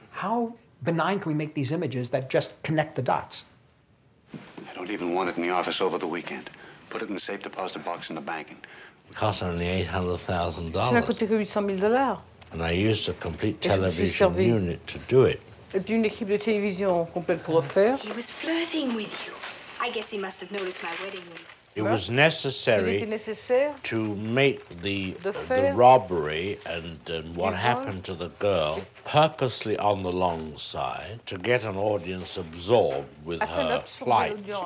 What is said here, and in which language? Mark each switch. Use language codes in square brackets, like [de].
[en] How benign can we make these images that just connect the dots? I don't even want it in the office over the weekend. Put it in the safe deposit box in the bank. And... it costs only $800,000. [fr] Ça n'a coûté que 800 000 dollars. [en] And I used a complete television unit to do it. [fr] D'une équipe de télévision complète pour le faire. [en] He was flirting with you. I guess he must have noticed my wedding ring. It was necessary to make the robbery and what happened to the girl purposely on the long side to get an audience absorbed with her flight.